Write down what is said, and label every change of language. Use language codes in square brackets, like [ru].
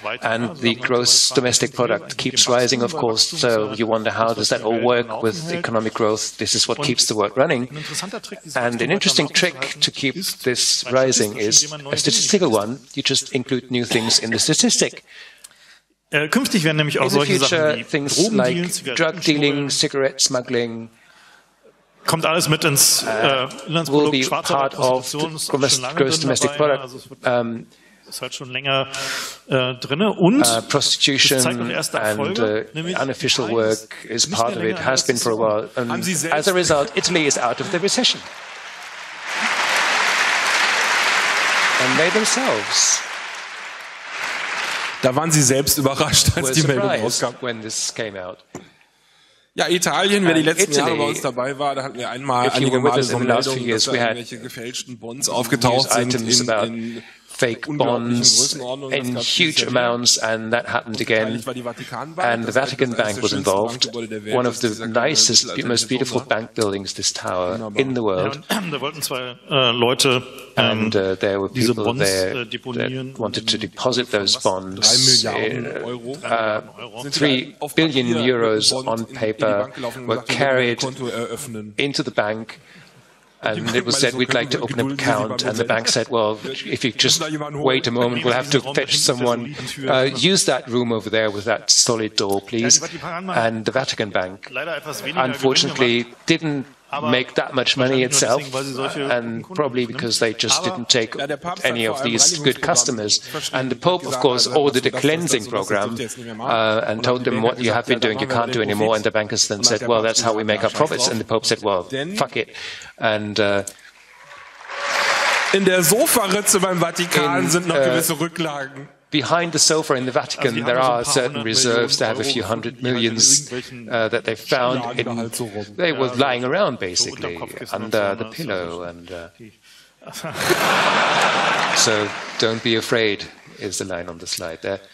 [en] And the gross domestic product keeps rising, of course, so you wonder how does that all work with economic growth? This is what keeps the world running. And an interesting trick to keep this rising is a statistical one. You just include new things in the statistic. [de] Künftig werden nämlich auch solche Sachen wie Drogendeals, [en] like drug dealing, cigarette smuggling, [de] kommt alles mit ins Inlandsprodukt, [en] part of the gross domestic product. [de] Ist halt schon länger drinne und [en] prostitution and unofficial work is part of it, has been for a while, and as a result Italy is out of the recession. And they themselves. [de] Da waren sie selbst überrascht, als die Meldung rauskam. [en] When this came out. [de] Ja, Italien, wer die letzten Jahre bei uns dabei war, da hatten wir einmal einige Male so eine Meldung, dass da irgendwelche gefälschten Bonds aufgetaucht sind in [en] fake bonds in huge amounts, and that happened again. And the Vatican Bank was involved, one of the nicest, most beautiful bank buildings, this tower in the world. And there were people there that wanted to deposit those bonds. 3 billion euros on paper were carried into the bank. And it was said, we'd like to open an account. And the bank said, well, if you just wait a moment, we'll have to fetch someone. Use that room over there with that solid door, please. And the Vatican Bank, unfortunately, didn't make that much money itself, and probably because they just didn't take any of these good customers. And the Pope, of course, ordered a cleansing program and told them, what you have been doing, you can't do anymore. And the bankers then said, well, that's how we make our profits. And the Pope said, well, fuck it. And [de] in der Sofaritze beim Vatikan sind noch gewisse Rücklagen. [en] Behind the sofa in the Vatican, there are certain reserves that have a few hundred millions that they found. They were lying around, basically, under the pillow. So don't be afraid, is the line on the slide there.